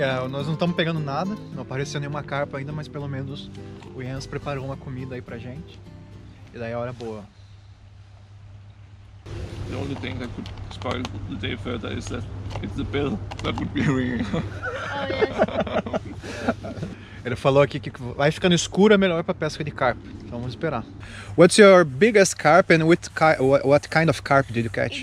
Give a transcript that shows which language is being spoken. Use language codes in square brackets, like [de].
[pt] Nós não estamos pegando nada, não apareceu nenhuma carpa ainda, mas pelo menos o Jens preparou uma comida aí pra gente. E daí é hora boa. [en] The only thing that could spoil the day further is that it's the bell that would be ringing. Oh, yes. [pt] Ele falou aqui que vai ficando escuro é melhor para pesca de carpa. Então vamos esperar. [en] What's your biggest carp and what kind of carp did you catch?